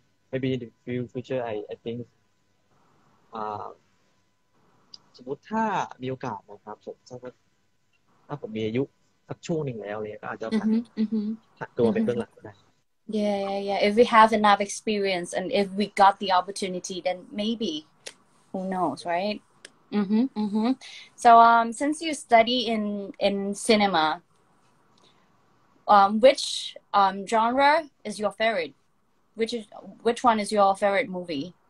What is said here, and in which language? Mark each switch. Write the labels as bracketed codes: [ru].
[en] Maybe in the future, I think. [th] สมมุติถ้ามีโอกาสนะครับผมถ้าผมมีอายุสักช่วงหนึ่งแล้วเนี่ยก็อาจจะผันตัวไปเบื้องหลังก็ได้ [en] Yeah. If we have enough experience and if we got the opportunity, then maybe. Who knows, right? So since you study in cinema. Which genre is your favorite? Which one is your favorite movie?